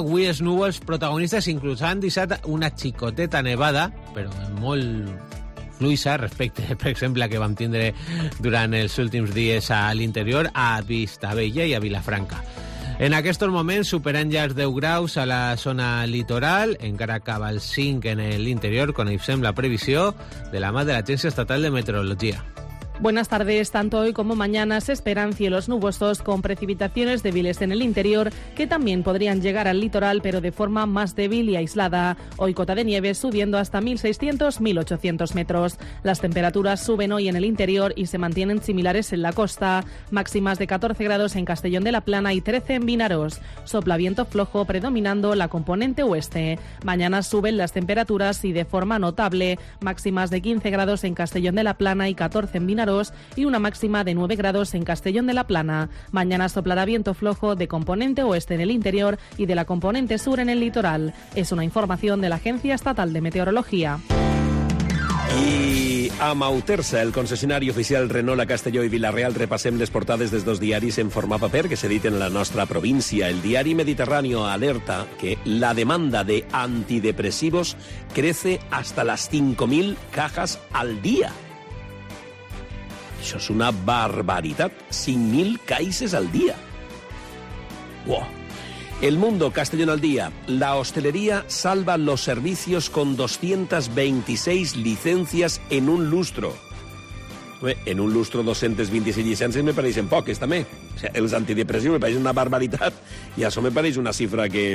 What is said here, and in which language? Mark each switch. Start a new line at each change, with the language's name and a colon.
Catalan: Avui els núvols protagonistes inclús han deixat una xicoteta nevada, però molt fluixa respecte, per exemple, a que vam tindre durant els últims dies a l'interior, a Vistabella i a Vilafranca. En aquests moments superen ja els 10 graus a la zona litoral, encara acaba el 5 en l'interior, coneixem la previsió de la mà de l'Agència Estatal de Meteorologia.
Spanish: Buenas tardes, tanto hoy como mañana se esperan cielos nubosos con precipitaciones débiles en el interior que también podrían llegar al litoral pero de forma más débil y aislada. Hoy cota de nieve subiendo hasta 1.600-1.800 metros. Las temperaturas suben hoy en el interior y se mantienen similares en la costa. Máximas de 14 grados en Castellón de la Plana y 13 en Vinaros. Sopla viento flojo predominando la componente oeste. Mañana suben las temperaturas y de forma notable. Máximas de 15 grados en Castellón de la Plana y 14 en Vinaros. Y una máxima de 9 grados en Castellón de la Plana. Mañana soplará viento flojo de componente oeste en el interior y de la componente sur en el litoral. Es una información de la Agencia Estatal de Meteorología.
Catalan: I amb Autersa, el concessionari oficial Renault a Castelló i Villarreal, repassem les portades dels dos diaris en format paper que s'editen a la nostra província. El diari Mediterráneo alerta que
Spanish: la demanda de antidepressivos crece hasta las 5.000 cajas al día.
Catalan: Això és una barbaritat. 5.000 caixes al dia. Wow.
Spanish: El Mundo, Castellón al día. La hostelería salva los servicios con 226 licencias en un lustro. En un lustro 226 licencias
Catalan: me pareixen poques, també. O sea, els antidepressius me pareixen una barbaritat. I això me pareix una xifra que...